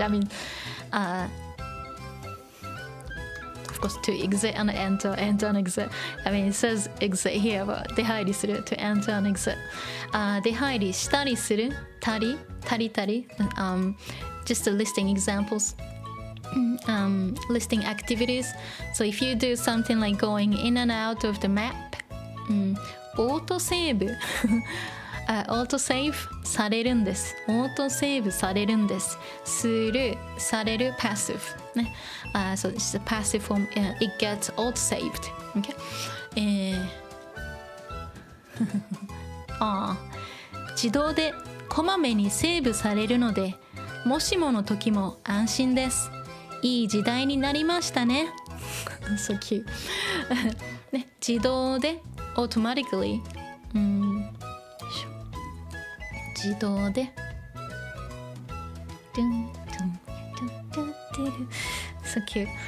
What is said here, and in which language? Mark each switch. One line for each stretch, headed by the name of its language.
English: I mean, of course, to exit and enter, enter and exit. I mean, it says exit here, but
Japanese: 出入りする する,
English: to enter and exit.
Japanese: 出入りしたりする したりする する, たり, たり, たり.
English: Just listing examples, listing activities. So if you do something like going in and out of the map, autosave.
Japanese: autosave されるんです。autosave されるんです。する、される、passive。ね。
English: So this is a passive form.、it gets autosaved. Okay? ああ。
Japanese: 自動でこまめにセーブされるので、もしもの時も安心です。いい時代になりましたね。
English: so cute. ね。自動で、automatically.、自動で、ドゥントゥントゥントゥントゥ、so cute。